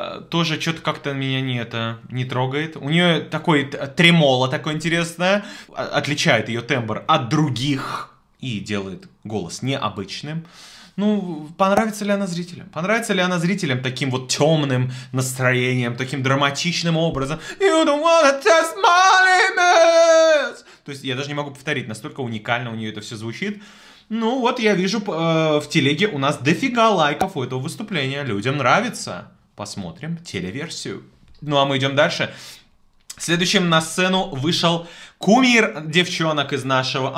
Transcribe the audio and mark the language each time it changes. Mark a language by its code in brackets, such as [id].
[ru] Тоже что-то как-то меня не трогает. У нее такой тремоло такое интересное, отличает ее тембр от других и делает голос необычным. Ну, понравится ли она зрителям? Понравится ли она зрителям таким вот темным настроением, таким драматичным образом? [en] You don't wanna test my limits! [ru] То есть я даже не могу повторить, настолько уникально у нее это все звучит. Ну вот, я вижу, в телеге у нас дофига лайков у этого выступления. Людям нравится. Посмотрим телеверсию. Ну а мы идем дальше. Следующим на сцену вышел кумир девчонок из нашего...